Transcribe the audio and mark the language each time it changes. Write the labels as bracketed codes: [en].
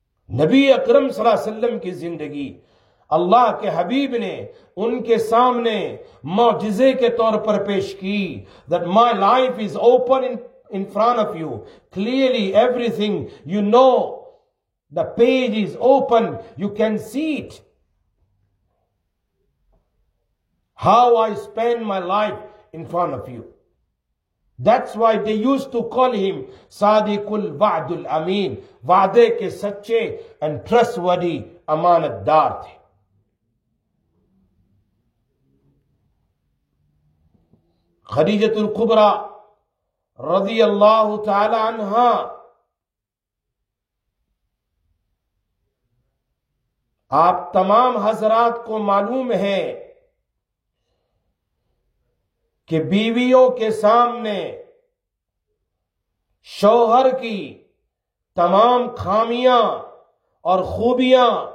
[ur] نبی اکرم صلی اللہ علیہ وسلم کی زندگی اللہ کے حبیب نے ان کے سامنے معجزے کے طور پر پیش کی، [en] that my life is open in front of you, clearly everything you know, the page is open, you can see it. How I spend my life in front of you. That's why they used to call him Sadiqul Wa'dul Amin, [ur] وعدے کے سچے [en] and trustworthy [ur] امانت دار تھے. خدیجۃ الکبریٰ رضی اللہ تعالی عنہا آپ تمام حضرات کو معلوم ہے کہ بیویوں کے سامنے شوہر کی تمام خامیاں اور خوبیاں